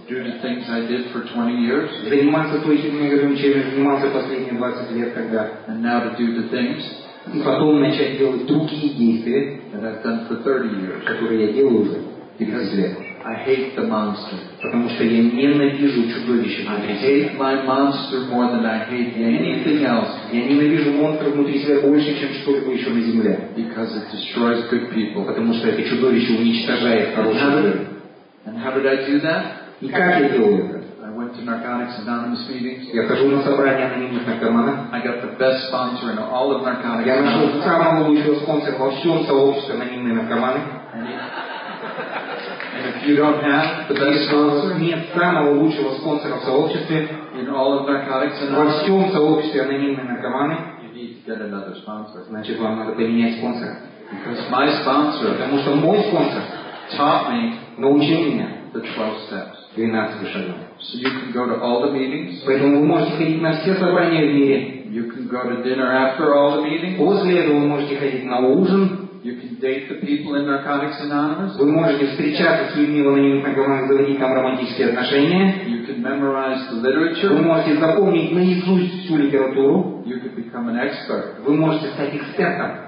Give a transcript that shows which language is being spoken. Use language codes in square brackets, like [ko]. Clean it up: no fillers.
[en] Due to things I did for 20 years, [ru] заниматься той фигней, чем я занимался последние 20 лет, когда, [en] and now to do the things, [ru] и потом начать делать другие действия, [en] that I've done for 30 years, [ru] которые я делал уже 30 лет. [en] I hate the monster. [ru] Потому что я ненавижу чудовище. [en] I hate my monster more than I hate anything else. [ru] Я ненавижу монстра внутри себя больше, чем что-либо еще на земле. [en] Because it destroys good people. [ru] Потому что это чудовище уничтожает хороших людей. [en] And how did I do that? [ru] И как я делал это? [en] I went to Narcotics Anonymous meetings. [ru] Я хожу на собрания анонимных наркоманов. [en] I got the best sponsor in all of Narcotics. [ru] Я нашел самого лучшего спонсора во всем сообществе анонимных наркоманов. [en] You don't have the best sponsor. [ru] Нет самого лучшего спонсора в сообществе. [en] In all of Narcotics and [ru] во всем сообществе анонимные наркоманы. [en] You need to get another sponsor. [ru] Значит, вам надо поменять спонсора. [en] Because my sponsor, [ru] потому что мой спонсор, [en] taught me, [ru] научил меня, [en] the 12 steps. [ru] 12 шагов. [en] So you can go to all the meetings. [ru] Поэтому вы можете ходить на все собрания в мире. [en] You can go to dinner after all the meetings. [ru] После этого вы можете ходить на ужин. [en] You can date the people in Narcotics Anonymous. [ru] Вы можете встречаться с людьми в анонимных наркоманах, заводить там романтические отношения. [en] You can memorize the literature. [ru] Вы можете запомнить наизусть всю литературу. [en] You can become an expert. [ru] Вы можете стать экспертом.